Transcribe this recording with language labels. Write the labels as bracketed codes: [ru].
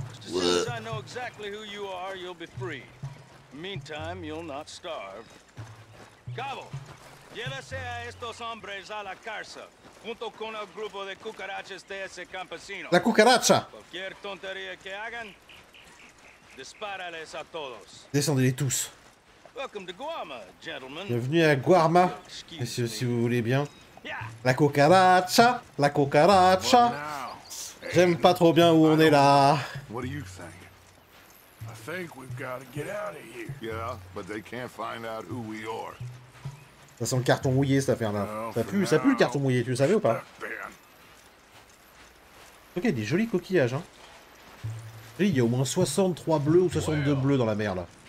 [en] I know exactly who you are, you'll be free. Meantime, you'll not starve. [es] Cabo, llévese a estos hombres a la cárcel, junto con el grupo de cucarachas de ese campesino. La cucaracha. Cualquier tontería que hagan, dispárales a todos. [fr] Descendez-les tous. [en] Welcome to Guarma, gentlemen. [fr] Bienvenue à Guarma, messieurs, si vous voulez bien. La cucaracha, la cucaracha. J'aime pas trop bien où on est là. [en] What do you think? I think we've got to get out of here. Yeah, but they can't find out who we are. [fr] Ça sent le carton mouillé, cette affaire-là. Ça pue le carton mouillé, tu le savais ou pas? Ok, des jolis coquillages, hein. Et il y a au moins 63 bleus ou 62 bleus dans la mer, là.